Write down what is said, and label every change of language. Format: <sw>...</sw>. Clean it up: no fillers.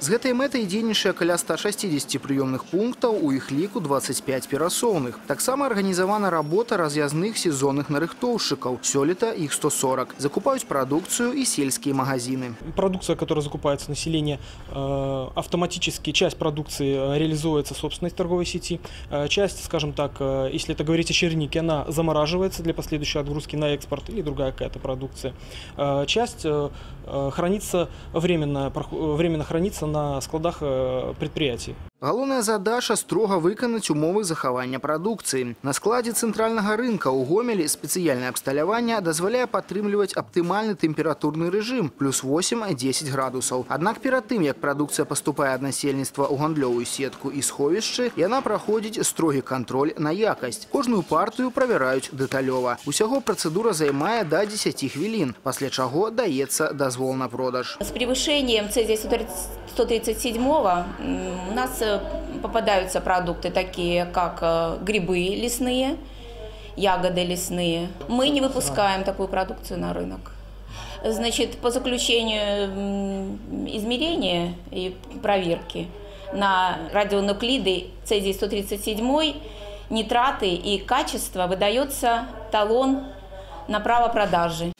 <be>З гэтай мэтай дзейнічае каля 160 прыёмных пунктаў, у іх ліку 25 перасоўных. Таксама арганізавана работа раз'язных сезонных нарыхтоўшчыкаў. Сёлета іх 140. Закупаюць прадукцыю і сельскія магазіны.</be> <ru>Прадукцыя, которая закупаецца населення, автоматычна часть прадукцыі реалізуецца собственнай торговай сеці. Часть, скажам так, если это говорить о чернике, она замораживается для последующей отгрузки на экспорт или другая какая-то продукция. Часть хранится временно хранится на складах предприятий.</ru> <be>Галоўная задача – строга выканаць умовы захавання прадукцыі. На складзе цэнтральнага рынка ў Гомелі спецыяльнае абсталяванне дазваляе падтрымліваць аптымальны тэмпературны рэжым – плюс 8-10 градусаў. Аднак перад тым, як прадукцыя паступае ад насельніцтва ў гандлёвую сетку і сховішчы, яна праходзіць строгі кантроль на якасць. Кожную партыю правяраюць дэталёва. Усяго працэдура займае да 10 хвілін, пасля чаго даецца дазвол на продаж.</be> <ru>З превышэннем C137-го у нас попадаются продукты такие, как грибы лесные, ягоды лесные. Мы не выпускаем такую продукцию на рынок. Значит, по заключению измерения и проверки на радионуклиды C137 нитраты и качество выдается талон на право продажи.</ru>